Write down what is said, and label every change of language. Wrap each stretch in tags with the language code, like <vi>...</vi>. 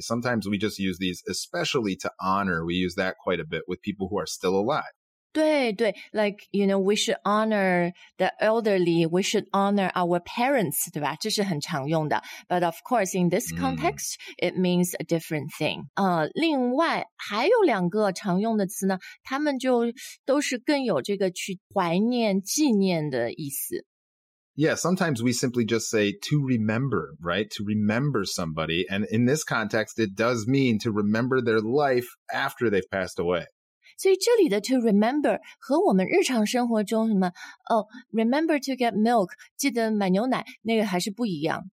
<en>Sometimes we just use these, especially to honor, we use that quite a bit with people who are still alive.</en> <zh>对对</zh> <en>,like, you know, we should honor the elderly, we should honor our parents,</en> <zh>对吧？这是很常用的。</zh> <en>But of course, in this context, it means a different thing.</en> <zh>另外还有两个常用的词呢，他们就都是更有这个去怀念、纪念的意思。</zh> <en>Yeah, sometimes we simply just say to remember, right? To remember somebody. And in this context, it does mean to remember their life after they've passed away.</en> <zh>所以这里的 to remember 和我们日常生活中什么</zh> <en>remember to get milk,</en> <zh>记得买牛奶，那个还是不一样。</zh>